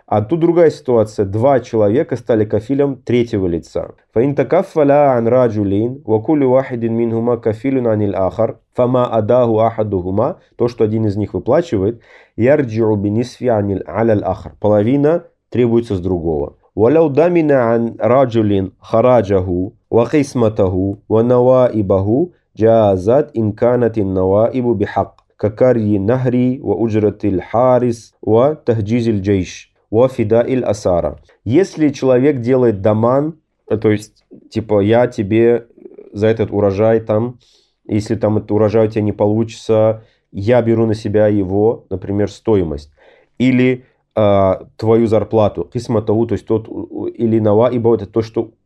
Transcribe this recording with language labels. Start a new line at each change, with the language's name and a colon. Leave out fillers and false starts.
Russian: А тут другая ситуация. Два человека стали кафилем третьего лица.
Arabic: فَإِنْ تَكَفَّلَا عَنْ رَجُلِينَ وَكُلُّ وَاحِدٍ مِّنْهُمَا كَفِيلٌ عَنِ الْآخَرِ فَمَا أَدَاهُ أَحَدُهُمَا.
Russian: То, что один из них выплачивает,
Arabic: يَرْجِعُ بِنِسْفِ عَنِ الْآخَرِ.
Russian: Половина требуется с другого.
Arabic: وَلَوْ دَمِنَا عَنْ رَجُلٍ خَرَاجَهُ وَقِسْمَتَهُ وَنَوَائِبَهُ جَازَتْ إِنْ كَانَتِ النَّوَائِبُ بِحَقٍّ ككري نهري وأجرة الحارس وتهجيز الجيش وفداء الأسارة.
Russian: Если человек делает даман, то есть типа я тебе за этот урожай там, если там этот урожай у тебя не получится, я беру на себя его, например, стоимость или твою зарплату, кисматау, то есть тот или нава, ибо это то, что